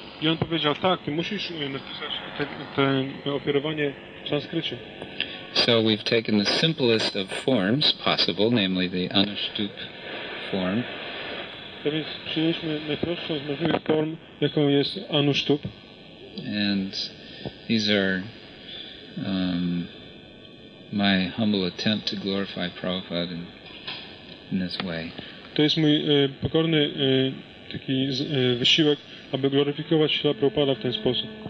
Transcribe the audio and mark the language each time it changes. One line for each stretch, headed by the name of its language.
Polish: I on powiedział, tak, ty musisz napisać to ofiarowanie w sanskrycie.
English: So we've taken the simplest of forms possible, namely the Anushtup form.
Polish: To więc przyjęliśmy najprostszą z możliwych form, jaką jest Anushtup.
English: And these are my humble attempt to glorify Prabhupada in this way.
Polish: To jest mój pokorny taki wysiłek, aby gloryfikować Śrila Prabhupada w ten sposób.